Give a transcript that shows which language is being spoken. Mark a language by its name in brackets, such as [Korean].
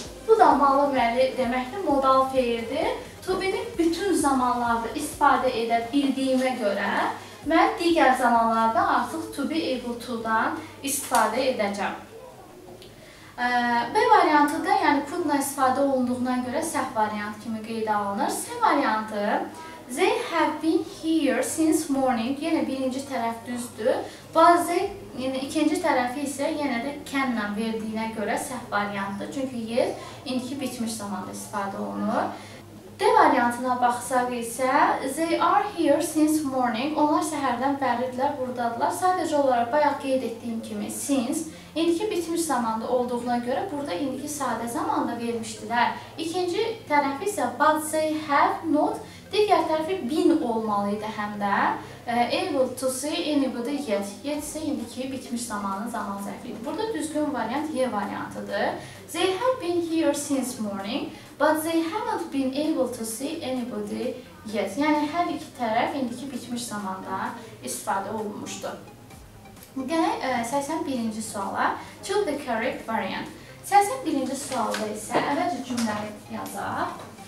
[Azerbaijani] Bu da malı müəlli deməkdir, modal feildir. To be-də bütün zamanlarda istifadə edə bildiyimə görə mən digər zamanlarda artıq to be able to-dan istifadə edəcəm. B variantıda, yəni could-la istifadə olunduğuna görə səhv variant kimi qeydə alınır. C variantı [English] they have been here since morning. [Azerbaijani] Yenə birinci tərəf düzdür. Bazı, yəni ikinci tərəfi isə yenə də can-lə verdiyinə görə səhv variantdır. Çünki yer indiki bitmiş zamanda istifadə olunur. D variantına baxsaq isə [English] they are here since morning. [Azerbaijani] Onlar səhərdən bəridirlər, buradadırlar. Sadəcə olaraq bayaq qeyd etdiyim kimi since indiki bitmiş zamanda olduğuna görə burada indiki sadə zamanda vermişdilər. İkinci tərəfi isə [English] but they have not. [Azerbaijani] Digər tərəfi been olmalı idi həm də [English] able to see anybody yet. [Azerbaijani] Yet isə indiki bitmiş zamanın zaman zərfidir. Burada düzgün variant Y variantıdır. [English] They have been here since morning, but they haven't been able to see anybody yet. [Azerbaijani] Yəni, hər iki tərəf indiki bitmiş zamanda istifadə olunmuşdur. Gələk 81-ci suala. [English] To the correct variant. [Azerbaijani] 81-ci sualda isə əvvəlcə cümləni yazaq.